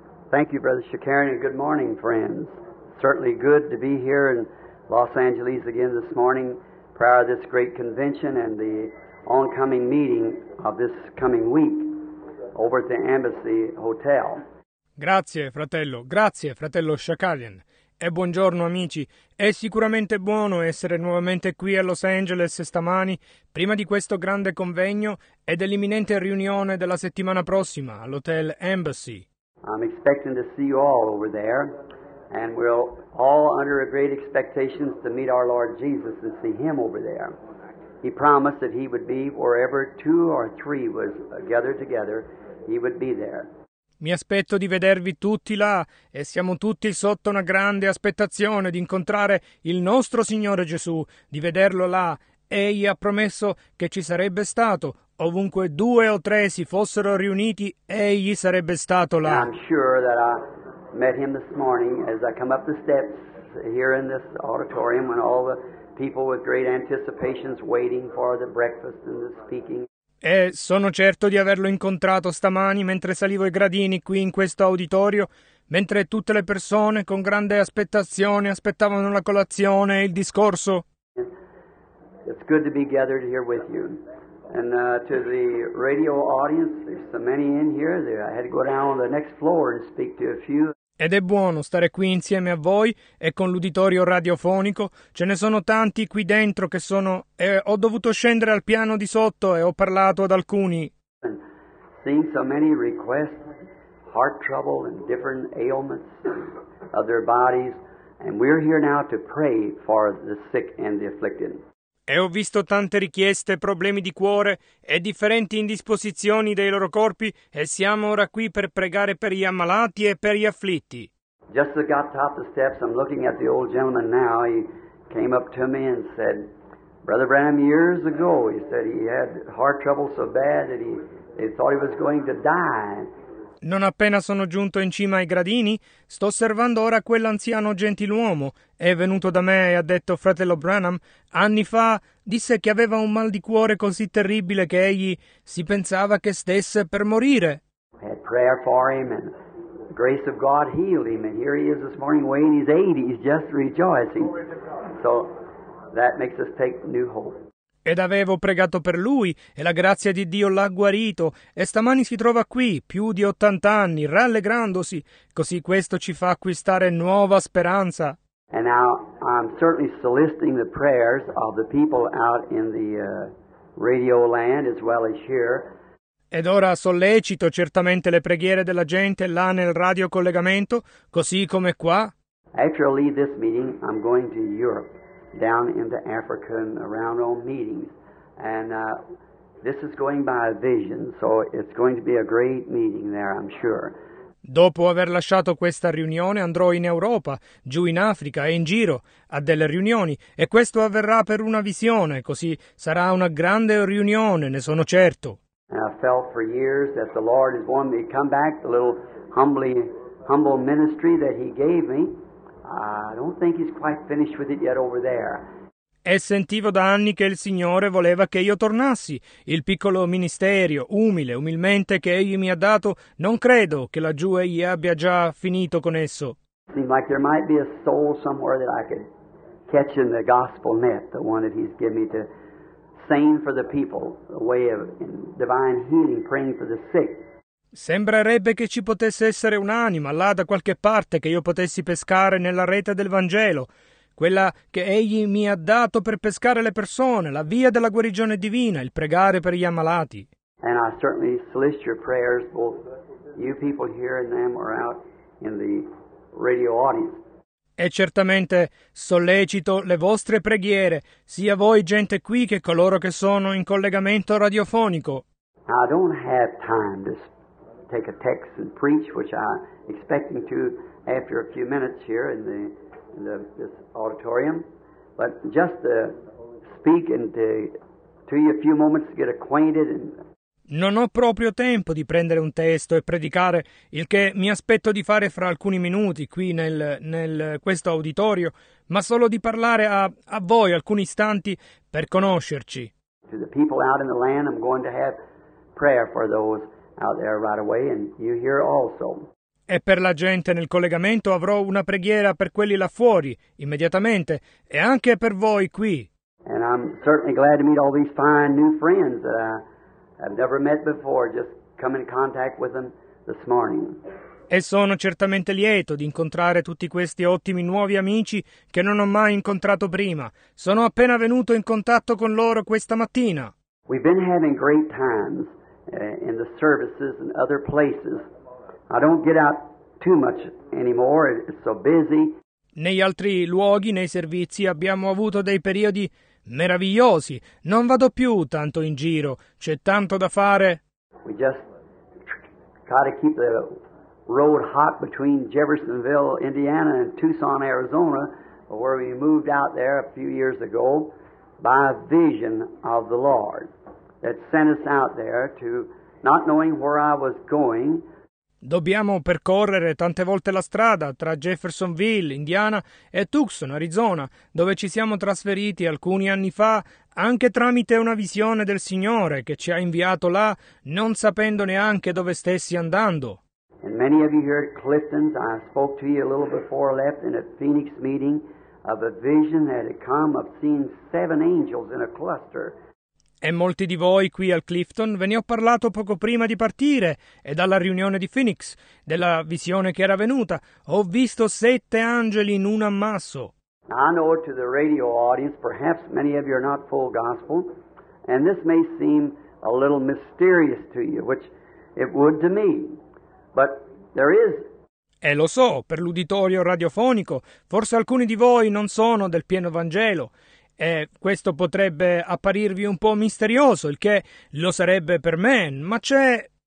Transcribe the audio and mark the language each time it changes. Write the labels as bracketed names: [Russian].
[English] Thank you, Brother Shakarian, and good morning, friends. Certainly good to be here in Los Angeles again this morning prior to this great convention and the oncoming meeting of this coming week over at the Embassy Hotel. [Italian] Grazie, fratello Shakarian. E buongiorno, amici. È sicuramente buono essere nuovamente qui a Los Angeles stamani, prima di questo grande convegno e dell'imminente riunione della settimana prossima all'Hotel Embassy. [English] I'm expecting to see you all over there, and we're all under a great expectation to meet our Lord Jesus and see Him over there. He promised that He would be wherever two or three was gathered together, He would be there. [Italian] Mi aspetto di vedervi tutti là e siamo tutti sotto una grande aspettazione di incontrare il nostro Signore Gesù, di vederlo là. Egli ha promesso che ci sarebbe stato. Ovunque due o tre si fossero riuniti, Egli sarebbe stato là. [English] I'm sure that I met Him this morning as I come up the steps here in this auditorium when all the people with great anticipations waiting for the breakfast and the speaking. [Italian] E sono certo di averlo incontrato stamani mentre salivo i gradini qui in questo auditorio, mentre tutte le persone con grande aspettazione aspettavano la colazione e il discorso. [English] It's good to be gathered here with you. And to the radio audience, there's so many in here that I had to go down on the next floor and speak to a few. [Italian] Ed è buono stare qui insieme a voi e con l'uditorio radiofonico. Ce ne sono tanti qui dentro che sono... ho dovuto scendere al piano di sotto e ho parlato ad alcuni. [English] Seen so many requests, heart trouble and different ailments of their bodies, and we're here now to pray for the sick and the afflicted. [Italian] E ho visto tante richieste, problemi di cuore e differenti indisposizioni dei loro corpi e siamo ora qui per pregare per gli ammalati e per gli afflitti. [English] Just as I got top the steps, I'm looking at the old gentleman now. He came up to me and said, Brother Branham, years ago, he said he had heart trouble so bad that he thought he was going to die. [Italian] Non appena sono giunto in cima ai gradini, sto osservando ora quell'anziano gentiluomo. È venuto da me e ha detto, fratello Branham, anni fa, disse che aveva un mal di cuore così terribile che egli si pensava che stesse per morire. [English] Had prayer for him and the grace of God healed him, and here he is this morning weighing his 80s, just rejoicing. So that makes us take new hope. [Italian] Ed avevo pregato per lui, e la grazia di Dio l'ha guarito, e stamani si trova qui, più di 80 anni, rallegrandosi. Così questo ci fa acquistare nuova speranza. [English] And now I'm certainly soliciting the prayers of the people out in the radio land as well as here. [Italian] Ed ora sollecito certamente le preghiere della gente là nel radiocollegamento, così come qua. [English] After I leave this meeting, I'm going to Europe. Down into Africa and around all meetings, and this is going by a vision, so it's going to be a great meeting there, I'm sure. [Italian] Dopo aver lasciato questa riunione, andrò in Europa, giù in Africa e in giro a delle riunioni, e questo avverrà per una visione, così sarà una grande riunione, ne sono certo. [English] And I felt for years that the Lord has wanted me to come back, the little humble ministry that He gave me. I don't think he's quite finished with it yet over there. [Italian] E sentivo da anni che il Signore voleva che io tornassi. Il piccolo ministerio, umilmente, che egli mi ha dato, non credo che laggiù egli abbia già finito con esso. [English] Seems like there might be a soul somewhere that I could catch in the gospel net, the one that he's given me to sing for the people, a way of divine healing, praying for the sick. [Italian] Sembrerebbe che ci potesse essere un'anima là da qualche parte che io potessi pescare nella rete del Vangelo. quella che Egli mi ha dato per pescare le persone, la via della guarigione divina, il pregare per gli ammalati. [English] And I certainly solicit your prayers, both you people hearing them or out in the radio audience. [Italian] E certamente sollecito le vostre preghiere, sia voi gente qui che coloro che sono in collegamento radiofonico. [English] Now, I don't have time to take a text and preach, which I'm expecting to after a few minutes here in this auditorium, but just to speak and to you a few moments to get acquainted and. [Italian] Non ho proprio tempo di prendere un testo e predicare, il che mi aspetto di fare fra alcuni minuti qui nel questo auditorio, ma solo di parlare a voi alcuni istanti per conoscerci. [English] To the people out in the land, I'm going to have prayer for those out there right away, and you here also. [Italian] E per la gente nel collegamento avrò una preghiera per quelli là fuori, immediatamente, e anche per voi qui. [English] And I'm certainly glad to meet all these fine new friends that I've never met before, just come in contact with them this morning. [Italian] E sono certamente lieto di incontrare tutti questi ottimi nuovi amici che non ho mai incontrato prima. Sono appena venuto in contatto con loro questa mattina. [English] We've been having great times in the services and other places. I don't get out too much anymore, it's so busy. [Italian] Negli altri luoghi, nei servizi, abbiamo avuto dei periodi meravigliosi. Non vado più tanto in giro, c'è tanto da fare. [English] We just try to keep the road hot between Jeffersonville, Indiana and Tucson, Arizona, where we moved out there a few years ago by a vision of the Lord that sent us out there to not knowing where I was going. [Italian] Dobbiamo percorrere tante volte la strada tra Jeffersonville, Indiana, e Tucson, Arizona, dove ci siamo trasferiti alcuni anni fa, anche tramite una visione del Signore che ci ha inviato là, non sapendo neanche dove stessi andando. [English] And many of you here at Clifton's, I spoke to you a little before I left in a Phoenix meeting of a vision that had come of seeing seven angels in a cluster. [Italian] E molti di voi qui al Clifton ve ne ho parlato poco prima di partire e dalla riunione di Phoenix, della visione che era venuta. Ho visto sette angeli in un ammasso. [English] I know to the radio audience, perhaps many of you are not full gospel, and this may seem a little mysterious to you, which it would to me, but there is. [Italian] E lo so, per l'uditorio radiofonico, forse alcuni di voi non sono del pieno Vangelo, e questo potrebbe apparirvi un po' misterioso, il che lo sarebbe per me, ma c'è.